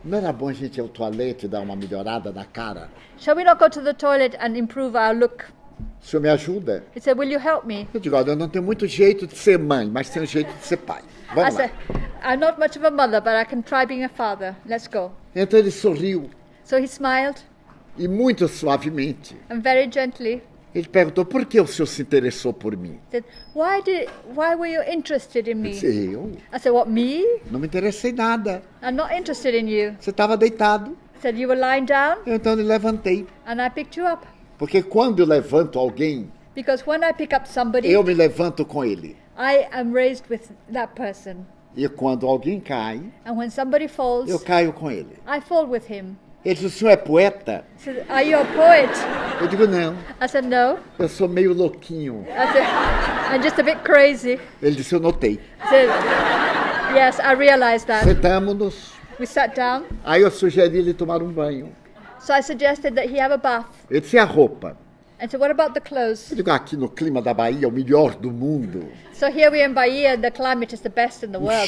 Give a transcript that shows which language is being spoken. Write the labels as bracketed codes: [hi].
[pt] Não era bom a gente ir ao toalete e dar uma melhorada na cara? [en] Shall we not go to the toilet and improve our look? [pt] O senhor me ajuda? [en] He said, will you help me? [pt] Eu digo, eu não tenho muito jeito de ser mãe, mas tenho jeito de ser pai. Vamos [en] I said, I'm not much of a mother, but I can try being a father. Let's go. [pt] Então ele sorriu. [en] So he smiled. [pt] E muito suavemente. [en] And very gently. [pt] Ele perguntou, por que o senhor se interessou por mim? [en] He said, why were you interested in me? [pt] Eu disse, eu? [en] I said, what, me? [pt] Não me interessei nada. [en] I'm not interested in you. [pt] Você estava deitado. [en] He said, you were lying down. [pt] Então eu levantei. [en] And I picked you up. [pt] Porque quando eu levanto alguém, [en] because when I pick up somebody, [pt] eu me levanto com ele. [en] I am raised with that person. [pt] E quando alguém cai, [en] and when somebody falls, [pt] eu caio com ele. [en] I fall with him. [pt] Ele diz, o senhor é poeta? [en] So, are you a poet? [pt] Eu digo, não. [en] I said, no. [pt] Eu sou meio louquinho. [en] I said, I'm just a bit crazy. [pt] Ele disse, eu notei. [en] So, yes, I realized that. [pt] Sentamos-nos. [en] We sat down. [pt] Aí eu sugeri ele tomar banho. [en] So I suggested that he have a bath. [pt] Ele disse, a roupa? [en] And so what about the clothes? [pt] Eu digo, aqui no clima da Bahia, o melhor do mundo. [en] So here we are in Bahia, the climate is the best in the world.